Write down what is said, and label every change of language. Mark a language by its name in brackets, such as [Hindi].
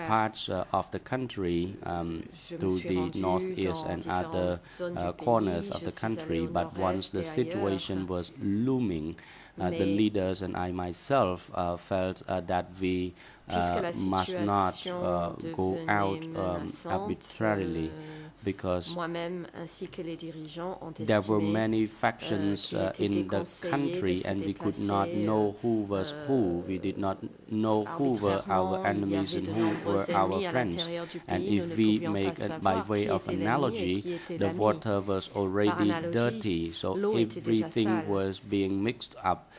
[English] parts of the country, to the northeast and other corners of the country. But once the situation was looming, the leaders and I myself felt that we must not go out arbitrarily. Because [French] moi-même, ainsi que les dirigeants, ont estimé, [English] there were many factions in the country and we could not know who was who. We did not know who were our enemies and who were our friends. And if we make it by way of analogy, the water was already dirty, so everything was being mixed up.